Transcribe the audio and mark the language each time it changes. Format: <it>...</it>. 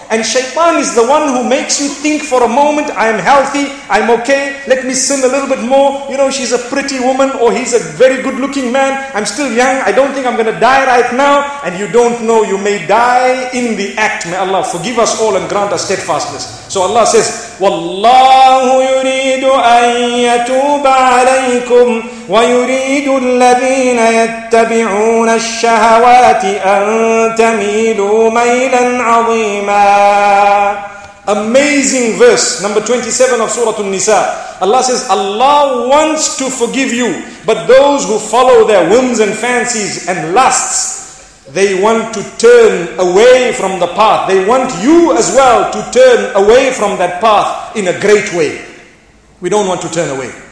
<en>And shaytan is the one who makes you think for a moment, I am healthy, I'm okay, let me sin a little bit more. You know, she's a pretty woman or he's a very good looking man. I'm still young. I don't think I'm going to die right now. And you don't know, you may die in the act. May Allah forgive us all and grant us steadfastness. So Allah says,</en> <ar>وَاللَّهُ يُرِيدُ أَن يَتُوبَ عَلَيْكُمْ وَيُرِيدُ الَّذِينَ يَتَّبِعُونَ الشَّهَوَاتِ أَن تَمِيلُوا مَيْلًا عَظِيمًا.</ar> <en>amazing verse, number 27 of Surah An-Nisa. Allah says, Allah wants to forgive you, but those who follow their whims and fancies and lusts, they want to turn away from the path. They want you as well to turn away from that path in a great way. We don't want to turn away.</en>